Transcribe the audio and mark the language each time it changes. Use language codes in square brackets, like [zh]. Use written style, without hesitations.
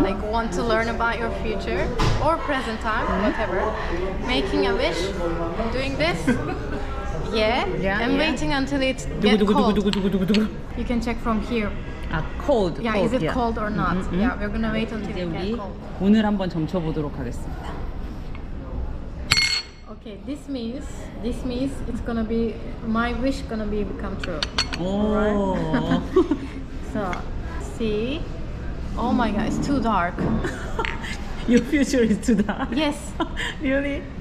[en] Like want to learn about your future or present time, whatever. Making a wish, doing this. Yeah, yeah, I'm waiting until it gets cold. You can check from here. 아, cold. Yeah, cold, is it yeah. cold or not? Mm-hmm. Yeah, we're gonna wait until it gets cold. [ko] 오늘 한번 점쳐보도록 하겠습니다. [en] Okay, this means it's gonna be my wish gonna be become true. Alright. So, see. Oh my God, it's too dark. Your future is too dark. Yes. Really?